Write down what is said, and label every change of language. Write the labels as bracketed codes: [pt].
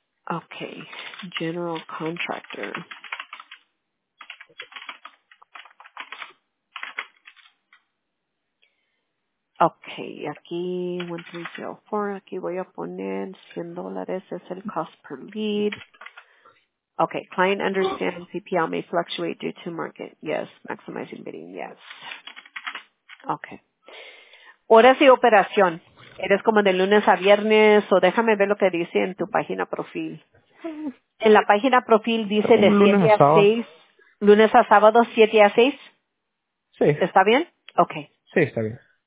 [en] Okay, general contractor. [es] Okay, aquí, 1304, aquí voy a poner $100 es el [en] cost per lead. Okay, client understands CPL may fluctuate due to market. Yes, maximizing bidding, yes. [es] Okay. Horas y operación. Eres como de lunes a viernes, o déjame ver lo que dice en tu página profil. En la página profil dice de 7 a 6, lunes a sábado, 7 a 6. Sí. ¿Está bien? Okay. Sí, está bien.